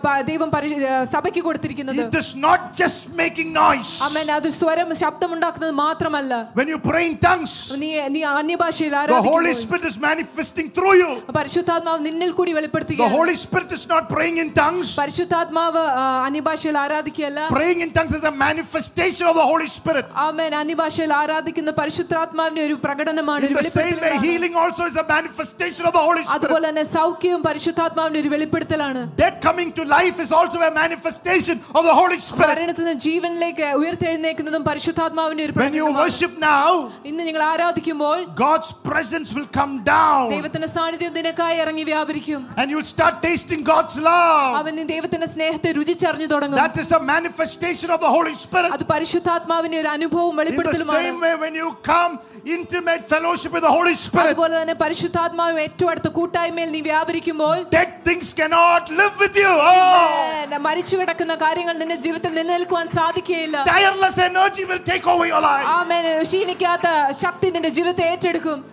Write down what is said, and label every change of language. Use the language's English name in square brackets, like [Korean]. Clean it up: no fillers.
[Malayalam] devam sabakku koduthirikkunathu [English] it is not just making noise [Malayalam] amen adu swaram shabdam undakkunathu mathramalla [English] when you pray in tongues [Malayalam] nee anya bhashayil aaradhikkum [English] the holy spirit is manifesting through you [Malayalam] parishuddhaatmav ninnil koodi velippaduthukayanu [English] the holy spirit is not praying in tongues [Malayalam] ശുദ്ധാത്മാവ് അന്യഭാഷയിൽ ആരാധിക്കുകയല്ല [English] praying in tongues is a manifestation of the holy spirit [Malayalam] amen അന്യഭാഷയിൽ ആരാധിക്കുന്ന പരിശുദ്ധാത്മാവിന്റെ ഒരു പ്രകടനമാണ് ഒരു വെളിപ്പെടുത്തൽ [English] same way healing also is a manifestation of the holy spirit [Malayalam] അതുപോലെ തന്നെ സൗഖ്യവും പരിശുദ്ധാത്മാവിന്റെ ഒരു വെളിപ്പെടുത്തലാണ് [English] death coming to life is also a manifestation of the holy spirit [Malayalam] മരണത്തിന് ജീവനിലേക്ക് ഉയർത്തെഴുന്നേൽക്കുന്നതും പരിശുദ്ധാത്മാവിന്റെ ഒരു പ്രകടനമാണ് [English] when you worship now [Malayalam] ഇന്ന് നിങ്ങൾ ആരാധിക്കുമ്പോൾ [English] god's presence will come down [Malayalam] ദൈവത്തിന്റെ സാന്നിധ്യം നിനക്കായി ഇറങ്ങി വ്യാപരിക്കും [English] and you'll start tasting god's love [Malayalam] അവൻ ദൈവത്തിന്റെ സ്നേഹത്തെ രുചിച്ചറിഞ്ഞു തുടങ്ങും [English] that is a manifestation of the holy spirit [Malayalam] അത് പരിശുദ്ധാത്മാവിന്റെ ഒരു അനുഭവം വെളിപ്പെടുത്തലുമാണ് [English] in the same way when you come intimate fellowship with the holy spirit [Malayalam] അതുപോലെ തന്നെ പരിശുദ്ധാത്മാവ് ഏറ്റവും അടുത്ത കൂട്ടായ്മയിൽ നീ വ്യാപരിക്കുമ്പോൾ [English] dead things cannot live with you [Malayalam] നമ്മ മരിച്ചു കിടക്കുന്ന കാര്യങ്ങൾ നിന്റെ ജീവിതത്തിൽ നിലനിൽക്കാൻ സാധിക്കയില്ല [English] tireless energy will take over your life [Malayalam] ആമേൻ ശീണിക്കാത്ത ശക്തി നിന്റെ ജീവിതത്തെ ഏറ്റെടുക്കും